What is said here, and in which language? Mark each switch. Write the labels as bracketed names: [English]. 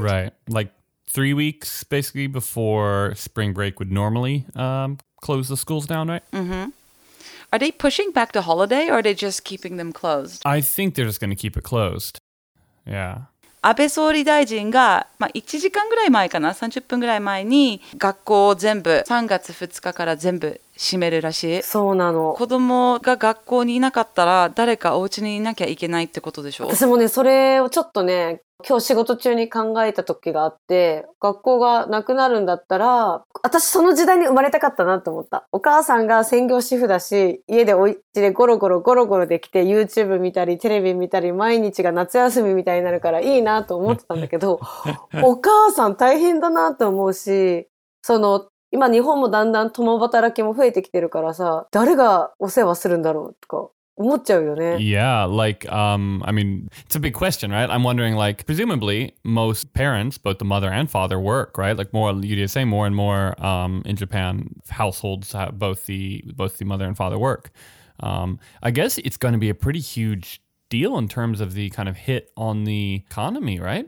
[English] Right, like 3 weeks basically before spring break would normally close the schools down, right? Mm-hmm. Are they pushing back the holiday or are they just keeping them closed? I think they're just going to keep it closed. Yeah. [Japanese] 安倍総理大臣が、まあ、1時間ぐらい前かな、30分ぐらい前に学校を全部3月2日から全部閉めるらしい。そうなの。子供が学校にいなかったら誰かお家にいなきゃいけないってことでしょ。私もね、それをちょっとね、今日仕事中に考えた時があって、学校がなくなるんだったら、私その時代に生まれたかったなと思った。お母さんが専業主婦だし、家でお家でゴロゴロゴロゴロできて、 YouTube 見たりテレビ見たり、毎日が夏休みみたいになるからいいなと思ってたんだけどお母さん大変だなと思うし、その今日本もだんだん共働きも増えてきてるからさ、誰がお世話するんだろうとか思っちゃうよね。 [English] Yeah, like, I mean, it's a big question, right? I'm wondering, like, presumably, most parents, both the mother and father, work, right? Like, more, you say, more and more in Japan, households have both the mother and father work. I guess it's going to be a pretty huge deal in terms of the kind of hit on the economy, right?